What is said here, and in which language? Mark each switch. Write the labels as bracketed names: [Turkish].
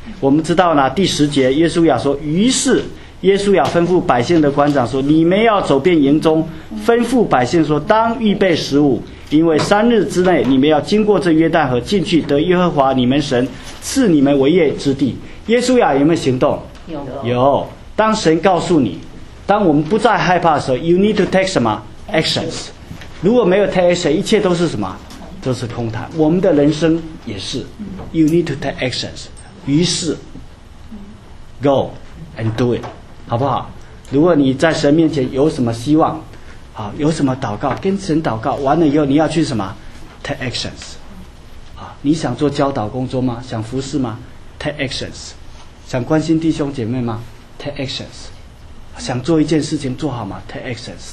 [Chinese] 我们知道呢，第十节约书亚说，于是约书亚吩咐百姓的官长说，你们要走遍营中，吩咐百姓说，当预备食物，因为三日之内你们要经过这约旦河进去得耶和华你们神赐你们为业之地。约书亚有没有行动？有。当神告诉你，当我们不再害怕的时候， [English] You need to take [Chinese] 什么 actions。如果没有 [English] take action， [Chinese] 一切都是什么？都是空谈。我们的人生也是， [English] You need to take actions。 [Chinese] 于是 [English] Go and do it， [Chinese] 好不好？如果你在神面前有什么希望，好，有什么祷告，跟神祷告完了以后，你要去什么？ [English] Take actions。 [Chinese] 好，你想做教导工作吗？想服侍吗？Take actions。想关心弟兄姐妹吗？ [English] Take actions。 [Chinese] 想做一件事情做好吗？Take actions。